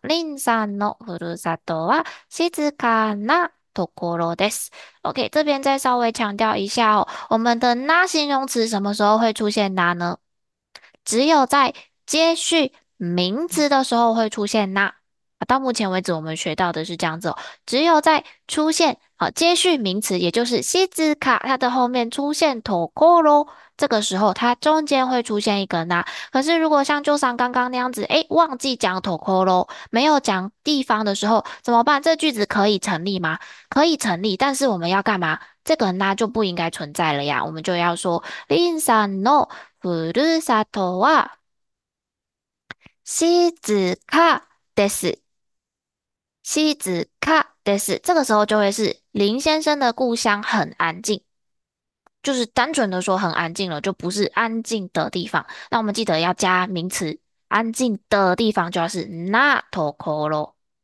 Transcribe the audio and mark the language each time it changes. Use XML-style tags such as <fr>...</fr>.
<ja>林さんのふるさとは静かなところです。</ja> <zh>OK，这边再稍微强调一下哦，我们的那形容词什么时候会出现那呢？只有在接续名词的时候会出现那。到目前为止，我们学到的是这样子哦，只有在出现接续名词，也就是西兹卡，它的后面出现 tokoro 这个时候，它中间会出现一个那。可是如果像就像刚刚那样子，忘记讲 tokoro，没有讲地方的时候，怎么办？这句子可以成立吗？可以成立，但是我们要干嘛？这个那就不应该存在了呀，我们就要说</zh> <ja>lin san no furusato wa</ja> <zh>西兹卡です。西子卡德斯，这个时候就会是林先生的故乡很安静，就是单纯的说很安静了，就不是安静的地方。那我们记得要加名词，安静的地方就要是那托科咯。</zh>